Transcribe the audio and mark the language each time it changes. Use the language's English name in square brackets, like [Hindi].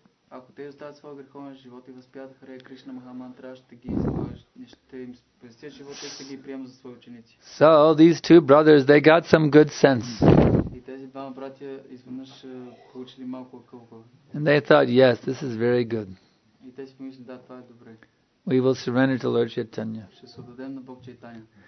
[Bulgarian] Ако те оставят своя греховен живот и възпят Харе Кришна Махамантра, ще им спестят живота и ще ги приема за свои ученици. [English] So these two brothers, they got some good sense. [Bulgarian] И тези двама братя изведнъж получили малко акълка. [English] And they thought, "Yes, this is very good." [Bulgarian] И те си помисли, "Да, това е добре." [English] We will surrender to Lord Chaitanya. [Bulgarian] Ще се отдадем на Бог Чайтанья.